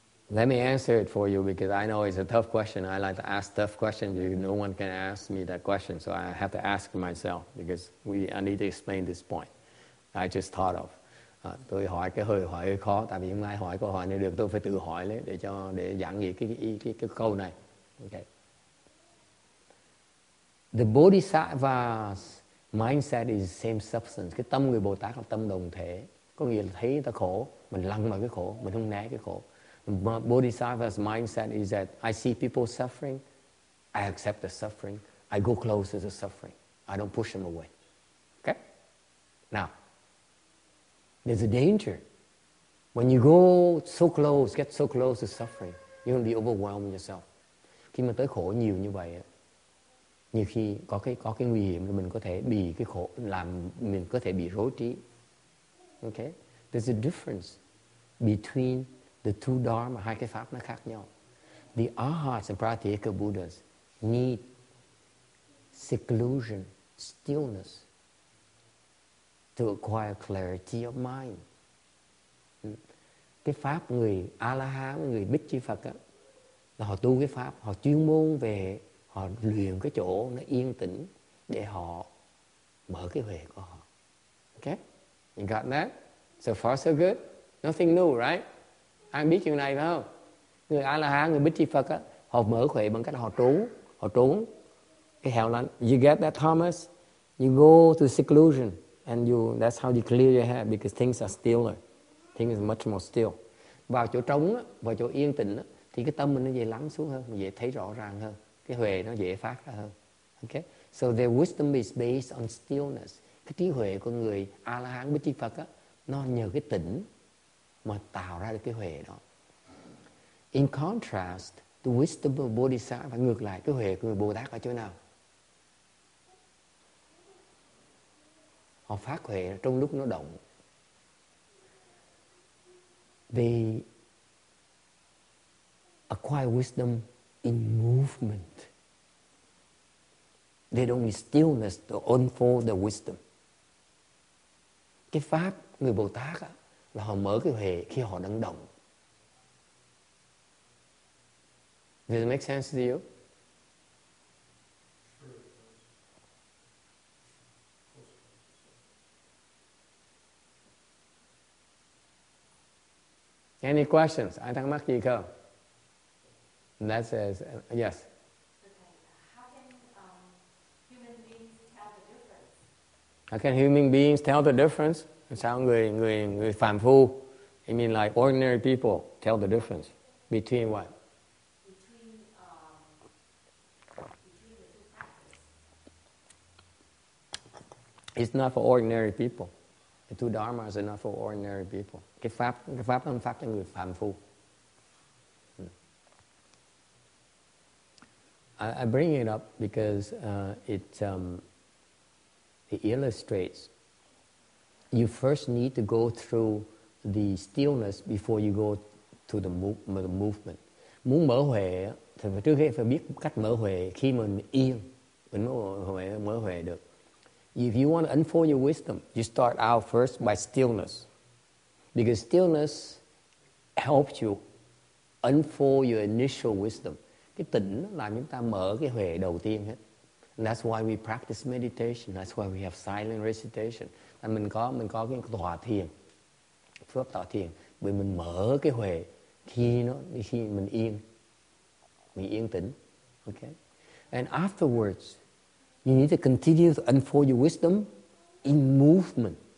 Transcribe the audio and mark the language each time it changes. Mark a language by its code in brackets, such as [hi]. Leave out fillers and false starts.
[en] Let me answer it for you because I know it's a tough question. I like to ask tough questions. No one can ask me that question, so I have to ask myself because I need to explain this point. I just thought of. [vi] Tôi hỏi cái hơi hỏi hơi khó, tại vì không ai hỏi câu hỏi này được. Tôi phải tự hỏi đấy để giảng nghĩa cái câu này. Okay. [en] The Bodhisattva's mindset is the same substance. [vi] Cái tâm người Bồ Tát là tâm đồng thể. Có nghĩa là thấy người ta khổ, mình lăn vào cái khổ, mình không né cái khổ. [en] Bodhisattva's mindset is that I see people suffering, I accept the suffering, I go closer to the suffering, I don't push them away. Okay? Now, there's a danger. When you go so close, get so close to suffering, you're going to be overwhelming yourself. [vi] Khi mà tới khổ nhiều như vậy, nhiều khi có cái nguy hiểm là mình có thể bị cái khổ, làm mình có thể bị rối trí. [en] Okay, there's a difference between the two dharma, [vi] hai cái pháp nó khác nhau. [en] The arhats and pratyeka buddhas need seclusion, stillness, to acquire clarity of mind. [vi] Cái pháp người A-la-hán, người Bích Chi Phật á, là họ tu cái pháp, họ chuyên môn về, họ luyện cái chỗ nó yên tĩnh để họ mở cái huệ của họ. [en] Okay? You got that? So far so good? Nothing new, right? [vi] Ai biết chuyện này phải không? Người A-la-hán, người Bích Chi Phật á, họ mở huệ bằng cách họ trú. Họ trú. Cái hẻo lánh. [en] You get that, Thomas? You go to seclusion. And you, that's how you clear your head because things are stiller. Things are much more still. [vi] Vào chỗ trống á, vào chỗ yên tĩnh á, thì cái tâm mình nó dễ lắng xuống hơn, dễ thấy rõ ràng hơn. Cái huệ nó dễ phát ra hơn. [en] Okay? So their wisdom is based on stillness. [vi] Cái trí huệ của người A-la-hán, Bích Chi Phật á, nó nhờ cái tĩnh mà tạo ra được cái huệ đó. [en] In contrast, the wisdom of Bodhisattva, [vi] ngược lại, cái huệ của người Bồ Tát ở chỗ nào? Họ phát huệ trong lúc nó động. [en] They acquire wisdom in movement. They don't need stillness to unfold the wisdom. [vi] Cái pháp người Bồ Tát á, là họ mở cái huệ khi họ đang động. [en] Does it make sense to you? Any questions? [vi] Ai thắc mắc gì không? [en] That says, yes. How can human beings tell the difference? [vi] Sao người phàm phu, [en] I mean like ordinary people, tell the difference between what? Between the two. It's not for ordinary people. The two dharmas are not for ordinary people. [vi] Cái pháp không phát cho người phàm phu. [en] I bring it up because it illustrates. You first need to go through the stillness before you go to the movement. [vi] Muốn mở huệ thì trước hết phải biết cách mở huệ. Khi mình yên, mình mở huệ được. [en] If you want to unfold your wisdom, you start out first by stillness, because stillness helps you unfold your initial wisdom. [vi] Cái tĩnh làm chúng ta mở cái huệ đầu tiên hết. [en] And that's why we practice meditation. That's why we have silent recitation. [vi] And mình có cái tọa thiền, phước tọa thiền, bởi mình mở cái huệ khi mình yên tĩnh. [en] Okay? And afterwards, you need to continue to unfold your wisdom in movement.